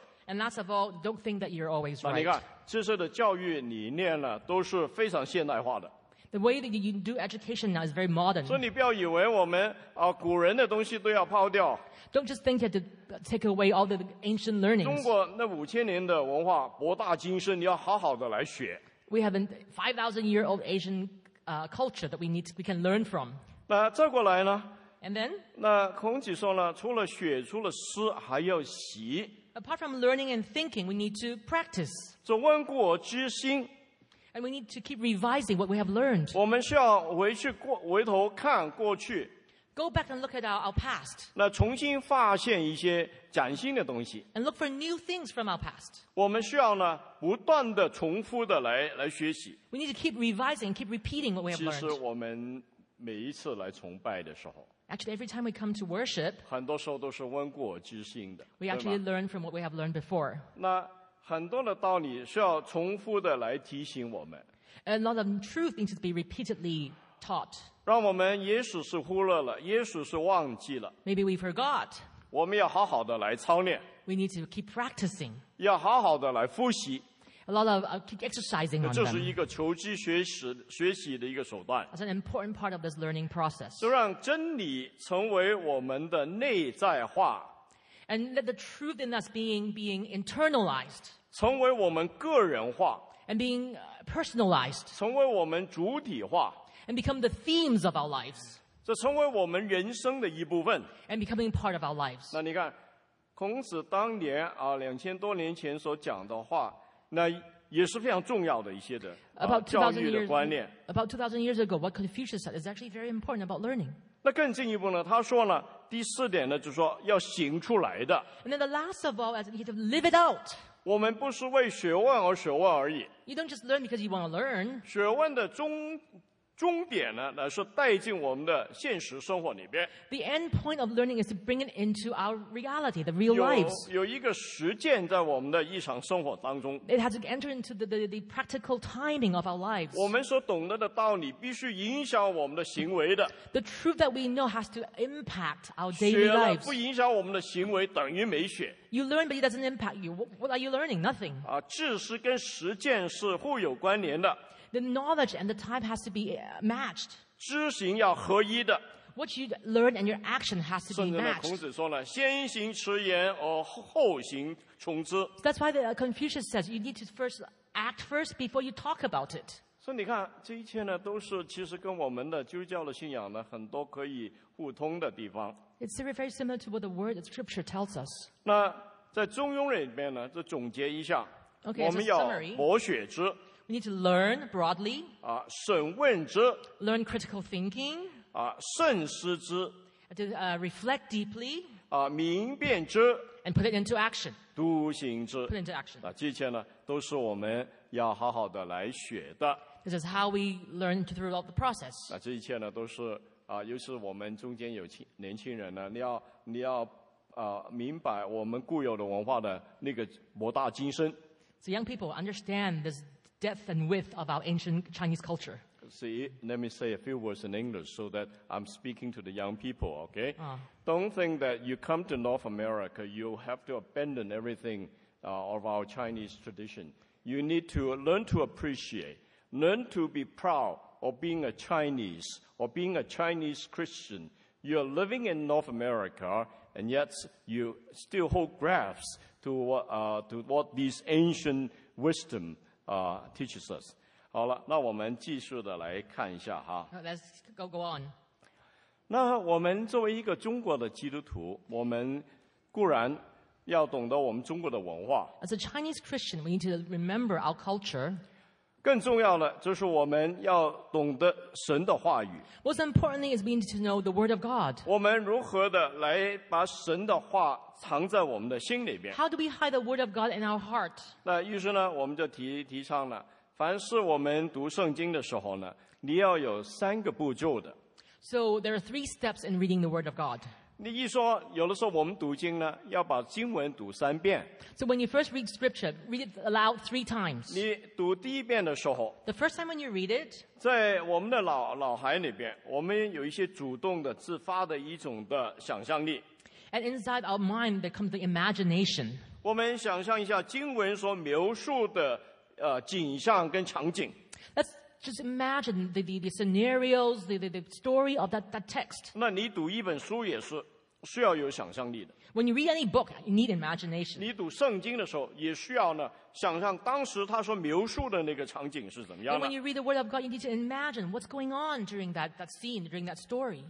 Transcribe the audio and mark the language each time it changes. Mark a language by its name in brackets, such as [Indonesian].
[English] And last of all, don't think that you're always right. [Chinese] 那你看，这些的教育理念呢，都是非常现代化的。 [English] The way that you do education now is very modern. [Chinese] 所以你不要以为我们啊古人的东西都要抛掉。 [English] Don't just think you have to take away all the ancient learnings. [Chinese] 中国那五千年的文化博大精深，你要好好的来学。 [English] We have a 5,000-year-old Asian culture that we can learn from. [Chinese] 那再过来呢 [English] ？And then? [Chinese] 那孔子说呢，除了学，除了思，还要习。 [English] Apart from learning and thinking, we need to practice. [Chinese] 做温故而知新。 [English] And we need to keep revising what we have learned. [Chinese] 我们需要回头看过去。 [English] Go back and look at our past. [Chinese] 那重新发现一些崭新的东西。 [English] And look for new things from our past. [Chinese] 我们需要呢不断的重复的来学习。 [English] We need to keep revising, keep repeating what we have learned. [Chinese] 其实我们每一次来崇拜的时候。 [English] Actually, every time we come to worship. [Chinese] 很多时候都是温故而知新的。 [English] We actually learn from what we have learned before. [Chinese] 那很多的道理需要重复的来提醒我们。 [English] A lot of truth needs to be repeatedly taught. [Chinese] 让我们也许是忽略了，也许是忘记了。 [English] Maybe we forgot. [Chinese] 我们要好好的来操练。 [English] We need to keep practicing. [Chinese] 要好好的来复习。 [English] A lot of keep exercising on them. [Chinese] 这是一个求知学习的一个手段。 [English] That's an important part of this learning process. [Chinese] 就让真理成为我们的内在化。 [English] And let the truth in us being internalized. [Chinese] 成为我们个人化。 [English] And being personalized. [Chinese] 成为我们主体化。 [English] And become the themes of our lives. [Chinese] 这成为我们人生的一部分。 [English] And becoming part of our lives. [Chinese] 那你看，孔子当年啊，两千多年前所讲的话，那也是非常重要的一些的教育的观念。 [English] About 2,000 years ago, what Confucius said is actually very important about learning. [Chinese] 那更进一步呢，他说呢，第四点呢，就是说要行出来的。 [English] And then the last of all, as we have to live it out. [Chinese] 我们不是为学问而学问而已。 [English] You don't just learn because you want to learn. [Chinese] 学问的终点呢，乃是带进我们的现实生活里边。 [English] The end point of learning is to bring it into our reality, the real lives. [Chinese] 有一个实践在我们的日常生活当中。 [English] It has to enter into the practical timing of our lives. [Chinese] 我们所懂得的道理必须影响我们的行为的。 [English] The truth that we know has to impact our daily lives. [Chinese] 学了不影响我们的行为，等于没学。 [English] You learn, but it doesn't impact you. What are you learning? Nothing. [Chinese] 啊，知识跟实践是互有关联的。 [English] The knowledge and the time has to be matched. [Chinese] 知行要合一的。 [English] What you learn and your action has to be matched. [Chinese] 甚至呢，孔子说了，先行持言而后行从之。 [English] That's why the Confucius says you need to first act first before you talk about it. [Chinese] 所以你看，这一切呢，都是其实跟我们的基督教的信仰呢，很多可以互通的地方。 [English] It's very similar to what the word of Scripture tells us. [Chinese] 那在中庸里面呢，就总结一下， [English] okay, [Chinese] 我们要博学之。 [English] We need to learn broadly. [Chinese] 啊，审问之。 [English] Learn critical thinking. [Chinese] 啊，慎思之。 [English] To reflect deeply. [Chinese] 啊，明辨之。 [English] And put it into action. [Chinese] 笃行之。 [English] Put into action. [Chinese] 啊，这些呢，都是我们要好好的来学的。 [English] This is how we learn throughout the process. [Chinese] 啊，这一切呢都是啊，尤其是我们中间有年轻人呢，你要啊，明白我们固有的文化的那个博大精深。 [English] So young people understand this depth and width of our ancient Chinese culture. See, let me say a few words in English so that I'm speaking to the young people, okay? Don't think that you come to North America, you have to abandon everything of our Chinese tradition. You need to learn to appreciate, learn to be proud of being a Chinese or being a Chinese Christian. You're living in North America, and yet you still hold grasps to what these ancient wisdom teaches us. [Chinese] 好了，那我们继续的来看一下哈。 [English] Let's go on. [Chinese] 那我们作为一个中国的基督徒，我们固然要懂得我们中国的文化。 [English] As a Chinese Christian, we need to remember our culture. [Chinese] 更重要的就是我们要懂得神的话语。 [English] What's important is we need to know the Word of God. [Chinese] 我们如何的来把神的话藏在我们的心里边 [English] ？How do we hide the Word of God in our heart? [Chinese] 那于是呢，我们就提倡了。凡是我们读圣经的时候呢，你要有三个步骤的。 [English] So there are three steps in reading the Word of God. [Chinese] 你一说，有的时候我们读经呢，要把经文读三遍。 [English] So when you first read scripture, read it aloud three times. [Chinese] 你读第一遍的时候 [English] ，The first time when you read it, [Chinese] 在我们的脑海里边，我们有一些主动的、自发的一种的想象力。 [English] And inside our mind, there comes the imagination. [Chinese] 我们想象一下经文所描述的。景象跟场景。 [English] Let's just imagine the scenarios, the story of that text. [Chinese] 那你读一本书也是需要有想象力的。 [English] When you read any book, you need imagination. [Chinese] 你读圣经的时候也需要呢，想象当时他所描述的那个场景是怎么样的。 [English] When you read the Word of God, you need to imagine what's going on during that scene, during that story.